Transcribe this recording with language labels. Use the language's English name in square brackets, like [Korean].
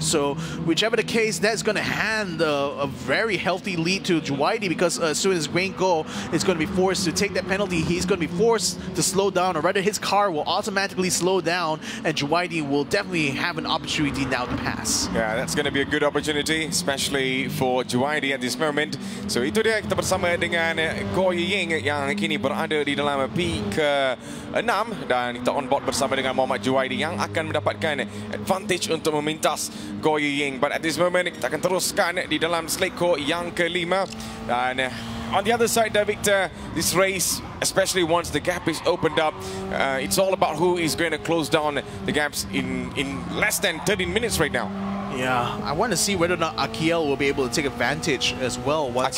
[English] So whichever the case, that's going to hand a very healthy lead to Juwaidi, because as soon as Wayne Goh is going to be forced to take that penalty, he's going to be forced to slow down, or rather his car will automatically slow down, and Juwaidi will definitely have an opportunity now to pass. Yeah, that's going to be a good opportunity, especially for Juwaidi at this moment. [Malay] So itu dia, kita bersama dengan Goh Yiying yang kini berada di dalam peak 6, dan kita [English] on board [Malay] bersama dengan Muhammad Juwaidi yang akan mendapatkan advantage untuk memintas Goh Yiying. [English] But at this moment, [Malay] kita akan teruskan di dalam selekor yang kelima. [English] Dan on the other side, Victor, this race, especially once the gap is opened up, it's all about who is going to close down the gaps in less than 13 minutes right now. Yeah, I want to see whether or not Akiel will be able to take advantage as well once